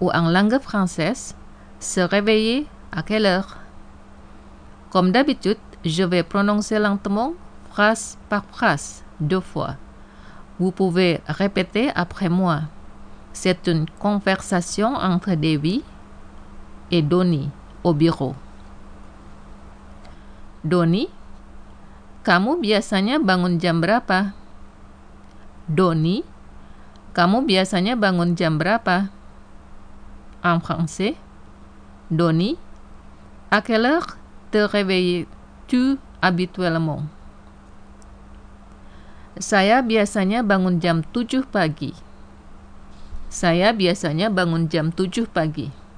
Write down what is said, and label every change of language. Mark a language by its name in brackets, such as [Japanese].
[French] ou en langue française « Se réveiller à quelle heure ?» Comme d'habitude, je vais prononcer lentement phrase par phrase deux fois. Vous pouvez répéter après moi. C'est une conversation entre Devi et Donnie au bureau. [Indonesian] Donnie, kamu biasanya bangun jam berapa? Doni, kamu biasanya bangun jam berapa? [French] En français, Doni, à quelle heure te réveilles-tu habituellement? [Indonesian] Saya biasanya bangun jam 7 pagi. Saya biasanya bangun jam 7 pagi.